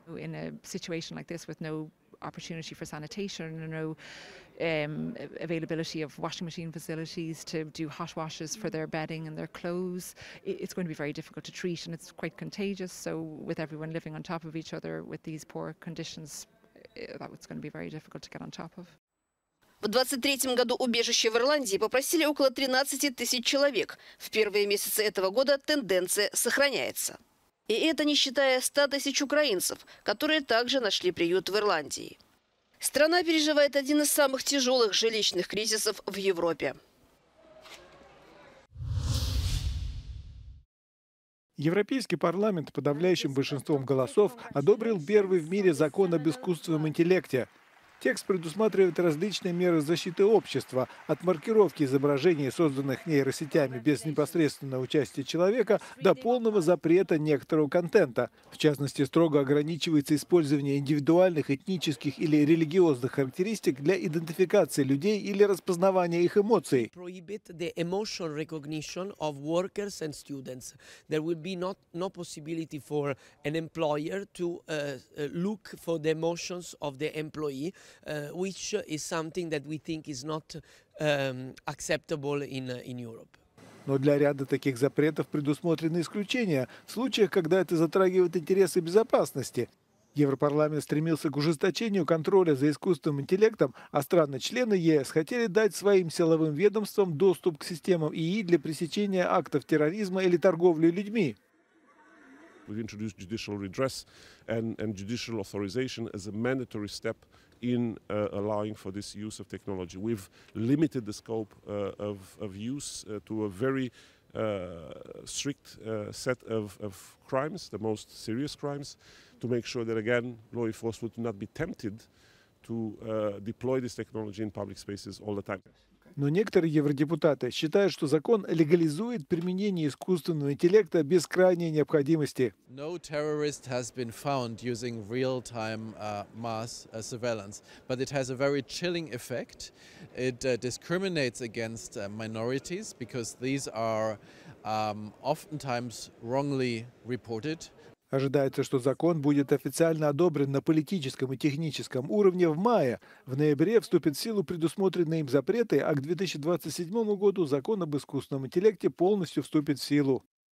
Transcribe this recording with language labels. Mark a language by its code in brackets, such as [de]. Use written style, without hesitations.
[en] In a situation like this, with no opportunity for sanitation and no availability of washing machine facilities to do hot washes for their bedding and their clothes, it's going to be very difficult to treat, and it's quite contagious. So, with everyone living on top of each other with these poor conditions, that's going to be very difficult to get on top of. [ru] В 2023 году убежище в Ирландии попросили около 13 тысяч человек. В первые месяцы этого года тенденция сохраняется. И это не считая 100 тысяч украинцев, которые также нашли приют в Ирландии. Страна переживает один из самых тяжелых жилищных кризисов в Европе. Европейский парламент подавляющим большинством голосов одобрил первый в мире закон об искусственном интеллекте. Текст предусматривает различные меры защиты общества от маркировки изображений, созданных нейросетями без непосредственного участия человека, до полного запрета некоторого контента. В частности, строго ограничивается использование индивидуальных, этнических или религиозных характеристик для идентификации людей или распознавания их эмоций. [en] Prohibit the emotion recognition of workers and students. There will be no possibility for an employer to look for the emotions of the employee, which is something that we think is not acceptable in Europe. [ru] Но для ряда таких запретов предусмотрены исключения в случаях, когда это затрагивает интересы безопасности. Европарламент стремился к ужесточению контроля за искусственным интеллектом, а страны-члены ЕС хотели дать своим силовым ведомствам доступ к системам ИИ для пресечения актов терроризма или торговли людьми. [en] We've introduced judicial redress and judicial authorization as a mandatory step in allowing for this use of technology. We've limited the scope of use to a very strict set of crimes, the most serious crimes, to make sure that again law enforcement would not be tempted to deploy this technology in public spaces all the time. [ru] Но некоторые евродепутаты считают, что закон легализует применение искусственного интеллекта без крайней необходимости. [en] No terrorist has been found using real-time mass surveillance, but it has a very chilling effect. It discriminates against minorities because these are oftentimes wrongly reported. [ru] Ожидается, что закон будет официально одобрен на политическом и техническом уровне в мае. В ноябре вступят в силу предусмотренные им запреты, а к 2027 году закон об искусственном интеллекте полностью вступит в силу.